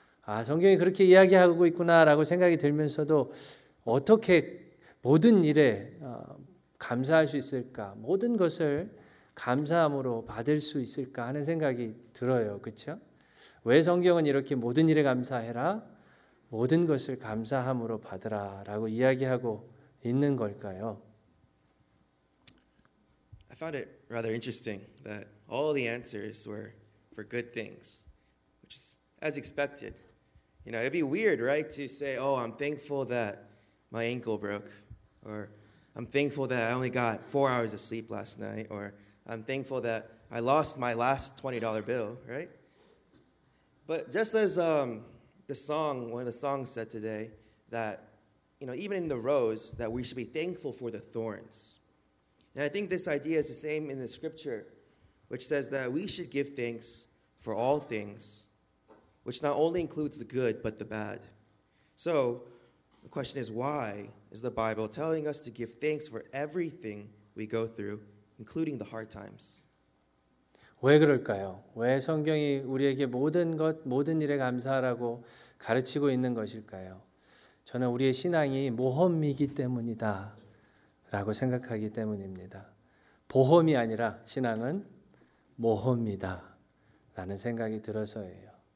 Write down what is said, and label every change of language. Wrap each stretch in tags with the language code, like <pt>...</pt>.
<ko>아, 성경이 그렇게 이야기하고 있구나라고 생각이 들면서도 어떻게 모든 일에 감사할 수 있을까? 모든 것을 감사함으로 받을 수 있을까 하는 생각이 들어요. 그렇죠? 왜 성경은 이렇게 모든 일에 감사해라, 모든 것을 감사함으로 받으라라고 이야기하고 있는 걸까요?</ko> <en>I found it rather interesting that all the answers were for good things, which is as expected. You know, it'd be weird, right, to say, "Oh, I'm thankful that my ankle broke," or "I'm thankful that I only got 4 hours of sleep last night," or "I'm thankful that I lost my last $20 bill," right? But just as the song, one of the songs said today, that, you know, even in the rose, that we should be thankful for the thorns. And I think this idea is the same in the scripture, which says that we should give thanks for all things, which not only includes the good, but the bad. So the question is, why is the Bible telling us to give thanks for everything we go through, including the hard times?</en> <ko>왜 그럴까요? 왜 성경이 우리에게 모든 것, 모든 일에 감사하라고 가르치고 있는 것일까요? 저는 우리의 신앙이 모험이기 때문이다 라고 생각하기 때문입니다. 보험이 아니라 신앙은 모험이다 라는 생각이 들어서예요.</ko>